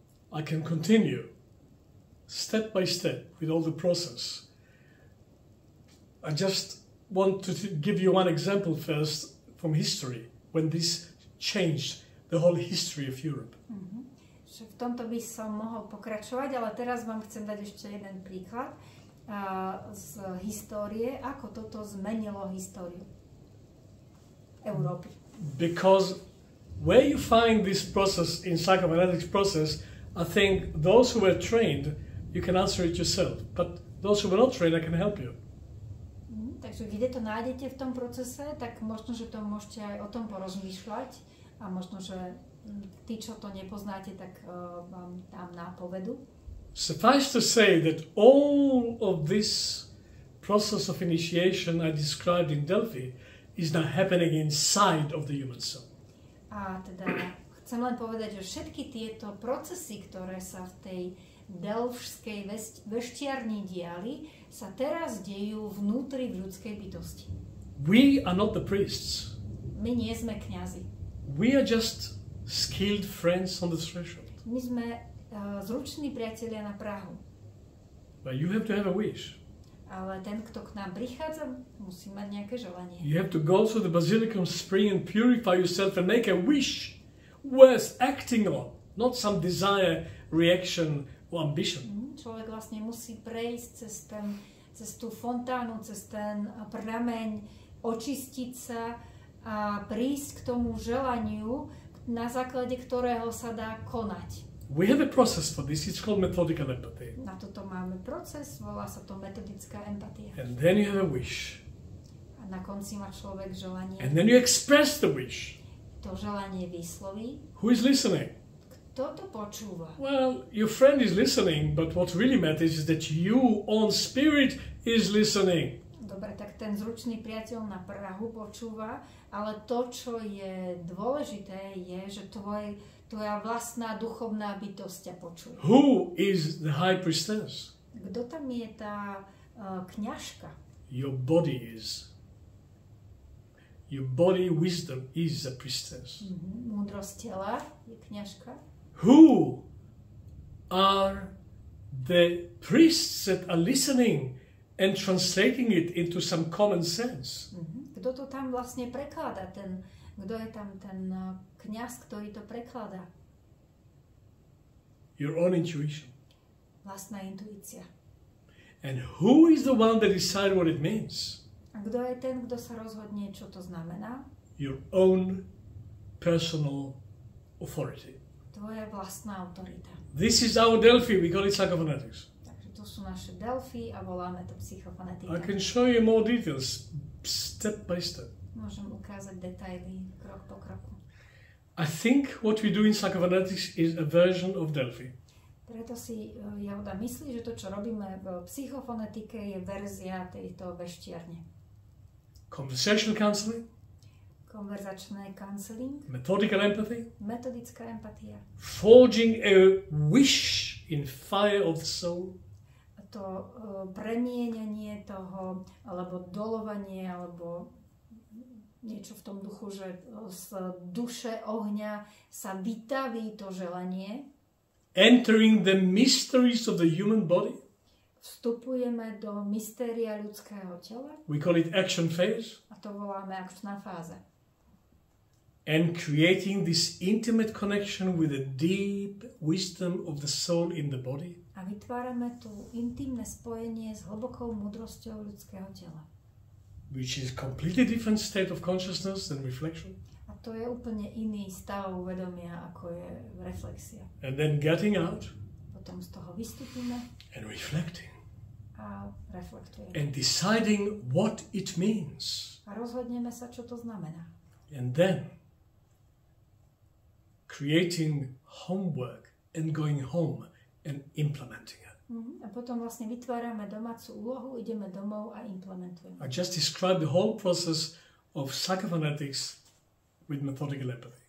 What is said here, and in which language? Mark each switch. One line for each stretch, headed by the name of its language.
English: I can continue step by step with all the process. I just want to give you one example first from history when this changed the whole history of Europe.
Slovak: Že v tomto by som mohol pokračovať, ale teraz vám chcem dať ešte jeden príklad z histórie, ako toto zmenilo históriu Európy.
English: Because where you find this process in psychoanalytic process, I think those who were trained, you can answer it yourself, but those who were not trained, I can help you.
Slovak: Takže vy to nájdete v tom procese, tak možno, že to môžete aj o tom porozmýšľať a možno, že tí, čo to nepoznáte, tak vám dám nápovedu.
English: Suffice to say that all of this process of initiation I described in Delphi is now happening inside of the human soul.
Slovak: A teda chcem len povedať, že všetky tieto procesy, ktoré sa v tej delfskej veštiarni diali, sa teraz dejú vnútri v ľudskej bytosti.
English: We are not the priests.
Slovak: My nie sme kňazi.
English: We are just skilled friends on the threshold.
Slovak: My sme zruční priatelia na prahu.
English: But you have to have a wish.
Slovak: Ale ten, kto k nám prichádza, musí mať nejaké želanie.
English: You have to go to the basilicum spring and purify yourself and make a wish worth acting on, not some desire, reaction or ambition.
Slovak: Človek vlastne musí prejsť cez tú fontánu, cez ten prameň, očistiť sa a prísť k tomu želaniu, na základe ktorého sa dá konať.
English: We have a process for this, it's called methodical empathy.
Slovak: Na toto máme proces, volá sa to metodická empatia.
English: And then you have a wish.
Slovak: A na konci má človek želanie.
English: And then you express the wish.
Slovak: To želanie vysloví.
English: Who is listening?
Slovak: Kto to počúva?
English: Well, your friend is listening, but what really matters is that you on spirit is listening.
Slovak: Dobre, tak ten zručný priateľ na prahu počúva, ale to, čo je dôležité, je, že tvoja vlastná duchovná bytosť ťa počuje.
English: Who is the high priestess?
Slovak: Kto tam je tá kňažka?
English: Your body is. Your body wisdom is the priestess.
Slovak: Múdrosť tela je kňažka.
English: Who are the priests that are listening and translating it into some common sense?
Slovak: Kto to tam vlastne prekladá? Kto je tam ten kňaz, ktorý to prekladá?
English: Your own intuition.
Slovak: Vlastná intuícia.
English: And who is the one that decides what it means?
Slovak: A kto je ten, kto sa rozhodne, čo to znamená?
English: Your own personal authority.
Slovak: Tvoja vlastná autorita.
English: This is our Delphi, we call it psychophonetics.
Slovak: Takže to sú naše Delphi a voláme to psychofonetika.
English: I can show you more details, step by step.
Slovak: Môžem ukázať detaily, krok po kroku.
English: I think what we do in psychophonetics is a version of Delphi.
Slovak: Preto si Jahoda myslí, že to, čo robíme v psychofonetike, je verzia tejto veštiarne.
English: Conversational counseling.
Slovak: Konverzačné counseling.
English: Methodical empathy.
Slovak: Metodická empatia.
English: Forging a wish in fire of the soul.
Slovak: To premienenie toho, alebo dolovanie, alebo niečo v tom duchu, že z duše ohňa sa vytaví to želanie.
English: Entering the mysteries of the human body.
Slovak: Vstupujeme do mystéria ľudského tela.
English: We call it action phase.
Slovak: A to voláme akčná fáza.
English: And creating this intimate connection with the deep wisdom of the soul in the body.
Slovak: A vytvárame tu intimné spojenie s hlbokou múdrosťou ľudského tela.
English: Which is a completely different state of consciousness than reflection.
Slovak: A to je úplne iný stav vedomia, ako je reflexia.
English: And then getting out.
Slovak: Potom z toho vystupíme.
English: And reflecting.
Slovak: A reflektujeme.
English: And deciding what it means.
Slovak: A rozhodneme sa, čo to znamená.
English: And then creating homework and going home and implementing it.
Slovak: A potom vlastne vytvárame domácu úlohu, ideme domov a implementujeme.
English: I just described the whole process of psychophonetics with methodical empathy.